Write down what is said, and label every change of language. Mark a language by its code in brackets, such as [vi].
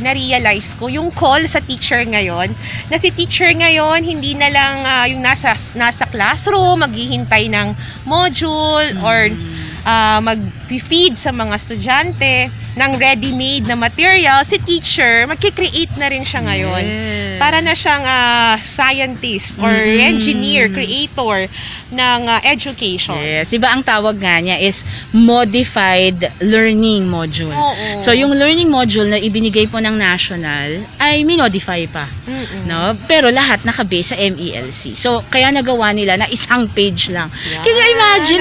[tl] Na-realize ko yung call sa teacher ngayon, na si teacher ngayon hindi na lang yung nasa classroom, maghihintay ng module or mag-feed sa mga estudyante ng ready-made na material, si teacher, magki-create na rin siya ngayon. [en] Yes. [tl] Para na siyang scientist or engineer, creator ng education. [en] Yes. [tl] Diba ang tawag nga niya is modified learning module. Oo. So, yung learning module na ibinigay po ng national ay minodify pa. No? Pero lahat naka-base sa MELC. So, kaya nagawa nila na isang page lang. [en] Yeah. Can you imagine?